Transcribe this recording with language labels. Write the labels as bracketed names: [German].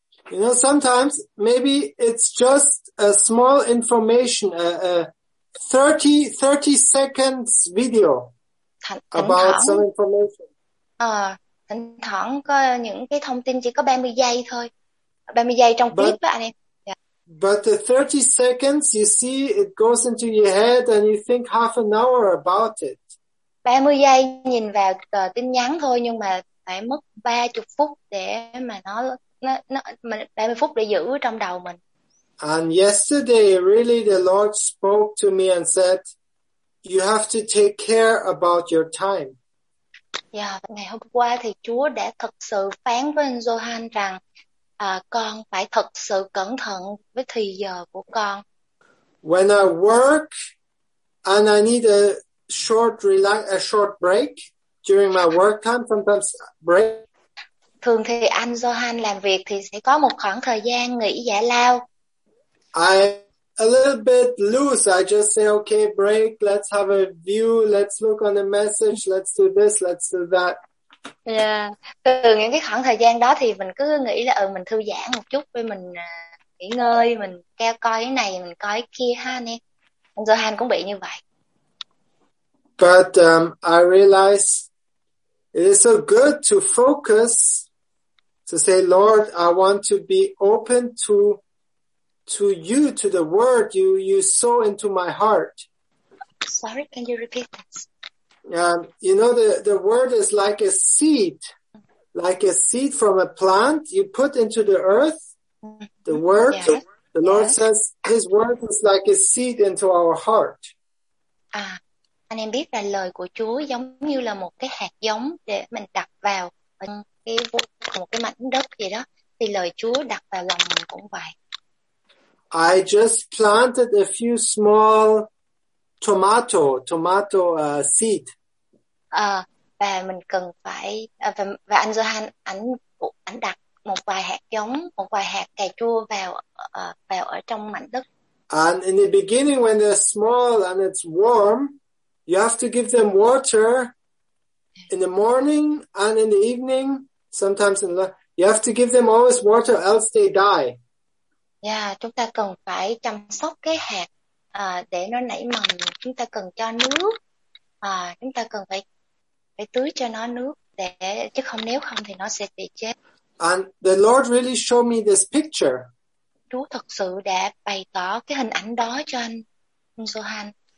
[English] You know, sometimes maybe it's just a small information, a 30 seconds video about some information. [Vietnamese] Thỉnh thoảng có những cái thông tin chỉ có 30 giây thôi. 30 giây trong clip á anh em. Yeah. [English] But the 30 seconds, you see, it goes into your head and you think half an hour about it. [Vietnamese] 30 giây nhìn vào tờ tin nhắn thôi, nhưng mà phải mất 30 phút để mà nó 30 phút để giữ trong đầu mình. [English] And yesterday really the Lord spoke to me and said you have to take care about your time. [Vietnamese] Yeah, ngày hôm qua thì Chúa đã thật sự phán với anh Johan rằng con phải thật sự cẩn thận với thời giờ của con. [English] When I work and I need a short relax, a short break during my work time, sometimes break. [Vietnamese] Thường thì anh Johan làm việc thì sẽ có một khoảng thời gian nghỉ giải lao. [English] I a little bit loose. I just say, okay, break. Let's have a view. Let's look on the message. Let's do this. Let's do that. Yeah. [Vietnamese] Từ những cái khoảng thời gian đó thì mình cứ nghĩ là mình thư giãn một chút, với mình nghỉ ngơi, mình theo coi cái này, mình coi cái kia ha nè. Anh Johan cũng bị như vậy. [English] But I realize it is so good to focus, to say, Lord, I want to be open to you, to the word you sow into my heart. Sorry, can you repeat that? You know, the word is like a seed, from a plant you put into the earth. The word, yeah. The Lord, yeah, says his word is like a seed into our heart. [Vietnamese] À, anh em biết là lời của Chúa giống như là một cái hạt giống để mình đặt vào một cái mảnh đất gì đó, thì lời Chúa đặt vào lòng mình cũng vậy. [English] I just planted a few small tomato seed. [Vietnamese] Và mình cần phải và anh Johan ảnh đặt một vài hạt giống, một vài hạt cà chua vào ở trong mảnh đất. [English] And in the beginning when they're small and it's warm, you have to give them water in the morning and in the evening, sometimes in the, you have to give them always water else they die. [Vietnamese] Yeah, chúng ta cần phải chăm sóc cái hạt để nó nảy mầm. Chúng ta cần cho nước. Chúng ta cần phải tưới cho nó nước để chứ không nếu không thì nó sẽ bị chết. [English] And the Lord really showed me this picture. [Vietnamese] Chúa thật sự đã bày tỏ cái hình ảnh đó cho anh Johan.